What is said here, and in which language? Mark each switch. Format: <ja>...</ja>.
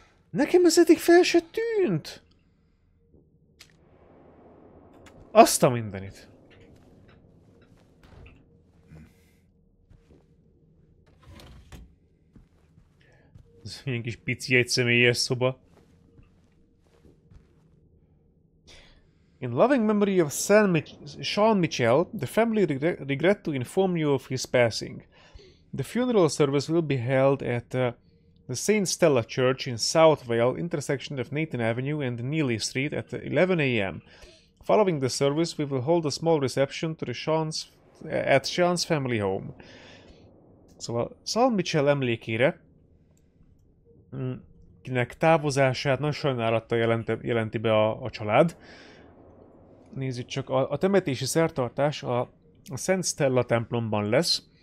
<hu>Nekem ez eddig fel se tűnt. Azt a mindenit. Ez ilyen kis pici egyszemélyes szoba.</hu> <en>In loving memory of Sean Mitchell, the family regret to inform you of his passing. The funeral service will be held at the St. Stella Church in Southvale, intersection of Nathan Avenue and Neely Street at 11 a.m. Following the service, we will hold a small reception to the Sean's, at Sean's family home.</en> <hu>Szóval Sean Mitchell emlékére, kinek távozását nagy sajnálattal jelenti be a család. Nézzük csak, a temetési szertartás a Szent Stella templomban lesz.</hu>